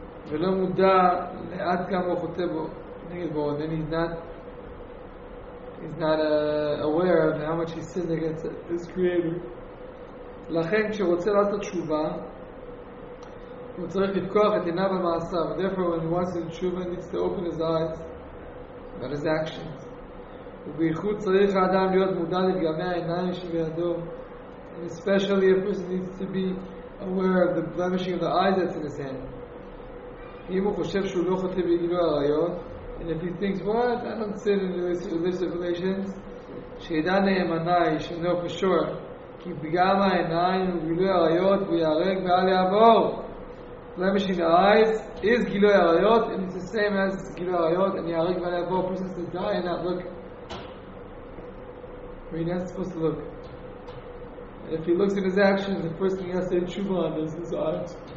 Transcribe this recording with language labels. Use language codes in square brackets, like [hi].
[he] ולא מודע לאט כמה הוא חוטא בו נגד בו, [en] and then he's not aware of how much he sinned against his creator. [he] לכן כשרוצה לעשות תשובה הוא צריך לפקוח את עיניו המעשיו. [en] Therefore when he wants to do tshuva, he needs to open his eyes about his actions. [he] ובייחוד צריך האדם להיות מודע לפגמי העיניים שבידו. [en] And especially a person needs to be aware of the blemishing of the eyes that's in his hand. [he] אם הוא חושב שהוא לא חוטא בגילוי עריות, [en] and if he thinks, what? I don't sin in religious relations. [he] שידע נאמני, שאינו קשור, כי פגם העיניים הוא גילוי עריות, הוא יהרג ואל יעבור. [en] Blemish in the eyes is גילוי עריות, and it's the same as גילוי עריות, and יהרג ואל יעבור. A person says, die and not look. Or he's not supposed to look. And if he looks at his actions, the first thing he has to say, tshuva on is his eyes.